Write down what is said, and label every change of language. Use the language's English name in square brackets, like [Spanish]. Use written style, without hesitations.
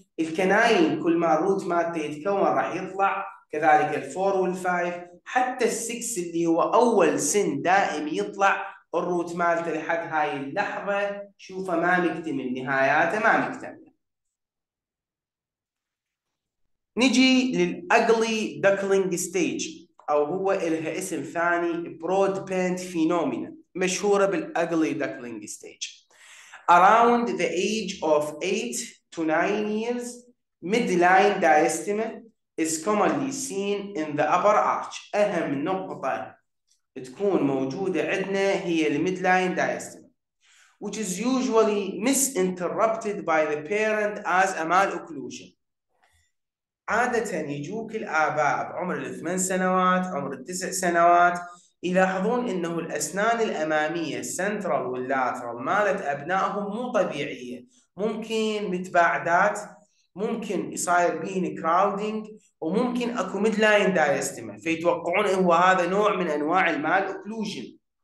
[Arabic] الكناين كل ما الروت مالته يتكون راح يطلع، كذلك الفور والفايف، حتى السكس اللي هو اول سن دائم يطلع الروت مالته لحد هاي اللحظه شوفه ما مكتمل، نهاياته ما مكتمل. نجي للأجلي دكلينج ستيج، أو هو إلها اسم ثاني برود بينت فينومينا، مشهورة بالأجلي دكلينج ستيج. [English] Around the age of 8 to 9 years, midline diastema is commonly seen in the upper arch. [Arabic] أهم نقطة تكون موجودة عندنا هي [English] midline diastema, which is usually misinterpreted by the parent as a malocclusion. [Arabic] عادة يجوك الآباء بعمر الثمان سنوات، عمر التسع سنوات، يلاحظون أنه الأسنان الأمامية السنترال واللاترال مالت أبنائهم مو طبيعية، ممكن متباعدات، ممكن يصير بين كراودينج، وممكن أكو ميدلاين دايستما، فيتوقعون هو هذا نوع من أنواع المال أوكلوجين.